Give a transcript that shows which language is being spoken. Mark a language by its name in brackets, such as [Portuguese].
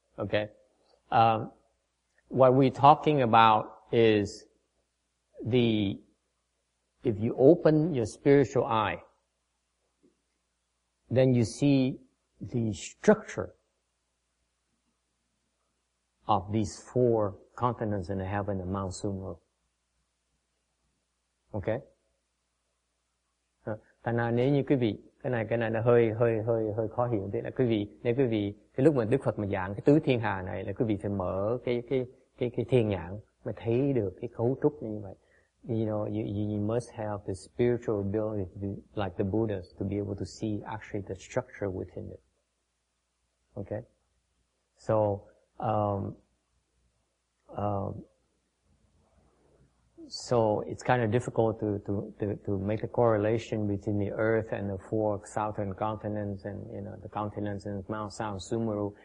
[English] Okay, what we're talking about is if you open your spiritual eye, then you see the structure of these four continents in the heaven and Mount Sumeru. Okay. [Vietnamese] Tại nào nếu như quý vị cái này nó hơi khó hiểu thế là quý vị nếu quý vị cái lúc mà Đức Phật mà giảng cái tứ thiên hà này là quý vị phải mở cái thiên nhãn mà thấy được cái cấu trúc như vậy. [English] You know, you must have the spiritual ability to be, like the Buddhas, to be able to see actually the structure within it. Okay. So so it's kind of difficult to make the correlation between the Earth and the four southern continents and, you know, the continents and Mount Sumeru.